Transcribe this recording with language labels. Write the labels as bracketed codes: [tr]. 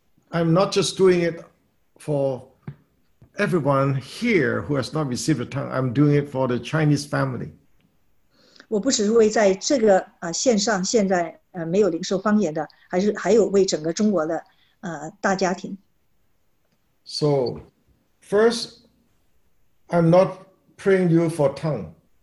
[en] I'm not just doing it for everyone here who has not received a tongue. I'm doing it for the Chinese family. [zh] 我不只是为在这个线上现在没有灵兽方言的，还有为整个中国的大家庭。 [en] So, first, I'm not praying you for tongue.